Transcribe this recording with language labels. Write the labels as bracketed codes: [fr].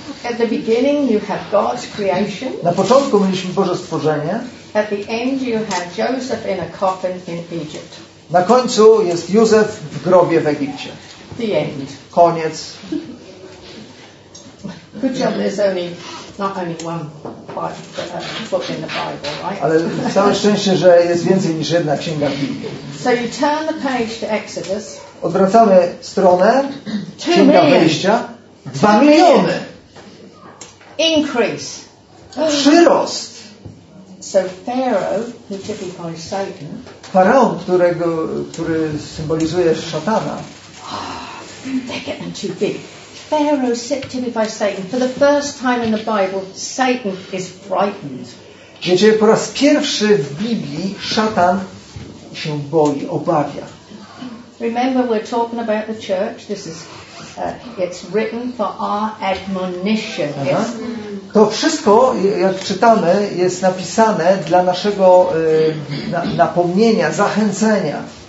[en] At the beginning you have God's creation. [pl] Na początku mieliśmy Boże stworzenie. [en] At the end you have Joseph in a coffin in Egypt. [pl] Na końcu jest Józef w grobie w Egipcie. [en] The end. [pl] Koniec. [en] Good job, there's not only one book in the Bible, right? [pl] Ale całe szczęście, że jest więcej niż jedna księga w Biblii. [en] So you turn the page to Exodus. [pl] Odwracamy stronę. Księga Wyjścia. 2 miliony. [en] Increase. [pl] Przyrost. [en] So Pharaoh, who typifies Satan. [pl] Faraon, który symbolizuje szatana. [en] They're getting too big. Pharaoh typifies Satan. For the first time in the Bible, Satan is frightened. [pl] Wiecie, po raz pierwszy w Biblii szatan się boi, obawia. [en] Remember, we're talking about the church. This is it's written for our admonition. [pl] To wszystko, jak czytamy, jest napisane dla naszego napomnienia, zachęcenia.